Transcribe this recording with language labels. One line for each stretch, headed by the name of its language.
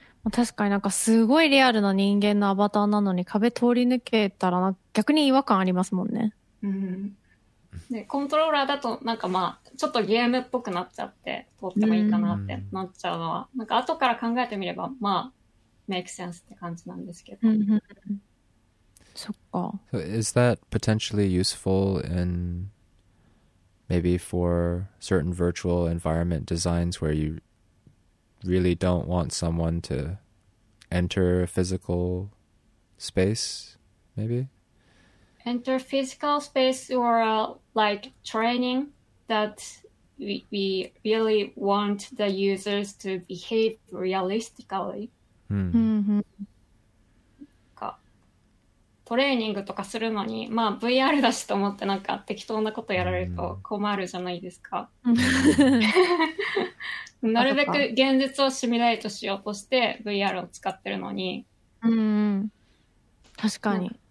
Japanese: 確かになんかすごいリアルな人間のアバターなのに壁通り抜けたら逆に違和感ありますもんね。うん。で、コントローラーだとなんかまあ、ちょっとゲームっぽくなっちゃって通ってもいいかなってなっちゃうのは、なんか後から考えてみればまあ、
English: メイクセンス
Japanese: って感じなんですけど。
English: So is that potentially useful in maybe for certain virtual environment designs where you really don't want someone to enter a physical space, maybe? Enter physical space or like training that we really want the users to behave realistically.
Japanese: トレーニングとかするのに、まあ VR だしと思ってなんか適当なことやられると困るじゃないですか。なるべく現実をシミュレートしようとして VR を使ってるのに。確かに。